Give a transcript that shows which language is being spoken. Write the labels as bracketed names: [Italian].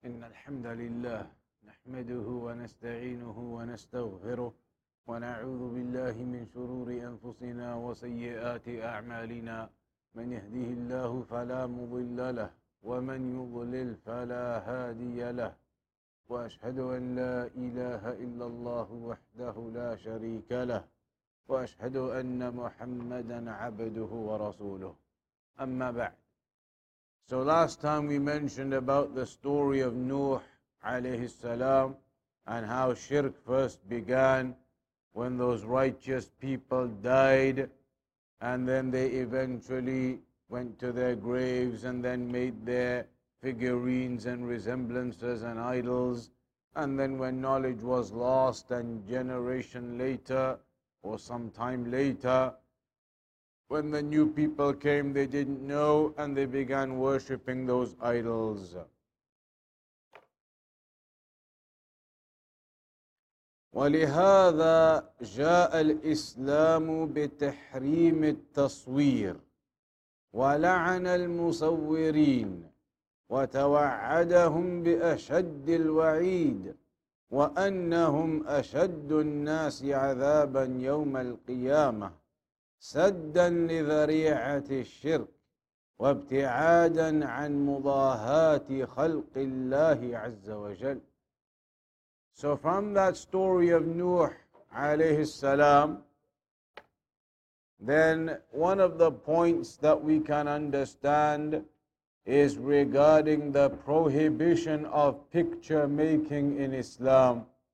[Arabic] إن الحمد لله نحمده ونستعينه ونستغفره ونعوذ بالله من شرور أنفسنا وسيئات أعمالنا، من يهده الله فلا مضل له ومن يضلل فلا هادي له، وأشهد أن لا إله إلا الله وحده لا شريك له، وأشهد أن محمدا عبده ورسوله، أما بعد. [English] So last time we mentioned about the story of Nuh alayhi salam and how shirk first began when those righteous people died, and then they eventually went to their graves and then made their figurines and resemblances and idols. And then when knowledge was lost and generation later or some time later, when the new people came, they didn't know, and they began worshipping those idols. [Arabic] ولهذا جاء الإسلام بتحريم التصوير ولعن المصورين وتوعدهم بأشد الوعيد وأنهم أشد الناس عذابا يوم القيامة سدا لذريعة الشرك وابتعادا عن مضاهاة خلق الله عز وجل. [English] So from that story of Nuh عليه السلام, then one of the points that we can understand is regarding the prohibition of picture making in Islam.